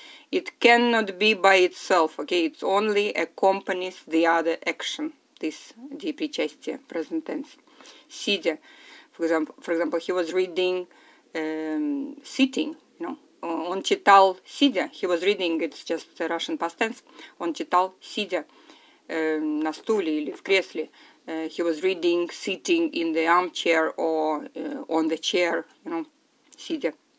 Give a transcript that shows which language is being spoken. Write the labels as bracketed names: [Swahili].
[English] It cannot be by itself. Okay, it only accompanies the other action. This деепричастие, present tense. Сидя, for example, he was reading sitting, you know. [Russian] Он читал сидя. [English] He was reading, it's just the Russian past tense. [Russian] Он читал сидя на стуле или в кресле. [English] He was reading, sitting in the armchair or on the chair, you know, сидя.